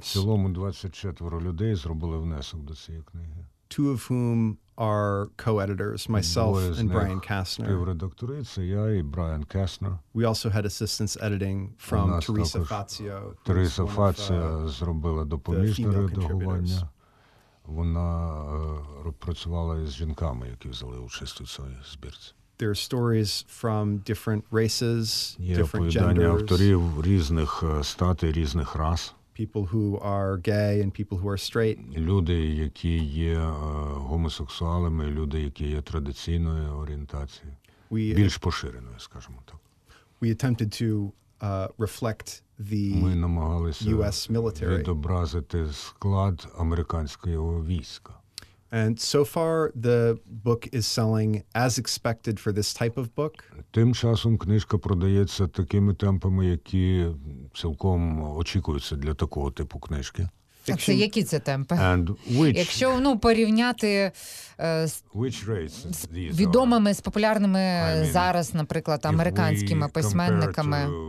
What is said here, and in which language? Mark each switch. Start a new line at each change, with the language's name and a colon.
Ukrainian: В цілому 24 людей зробили внесок до цієї книги.
English: Two of whom are co-editors, myself and Brian Kastner.
Ukrainian: Співредактори, це я і Брайан Кастнер.
English: We also had assistance editing from Teresa Fazio.
Ukrainian: Тереса Фаціо зробила допоміжне редагування. Вона працювала із жінками, які взяли участь у цій збірці.
English: There are stories from different races, different genders.
Ukrainian: Є оповідання авторів різних статей, різних рас.
English: People who are gay and people who are straight.
Ukrainian: Люди, які є гомосексуалами, люди, які є традиційної орієнтації. Більш поширеною, скажімо так.
English: We attempted to reflect the U.S. military.
Ukrainian: Відобразити склад американського війська.
English: And so far, the book is selling as expected for this type of book.
Ukrainian: Тим часом книжка продається такими темпами, які цілком очікуються для такого типу книжки. Fiction. А це які це темпи?
English: And which,
Ukrainian: якщо ну, порівняти з відомими, з популярними зараз, наприклад, американськими письменниками.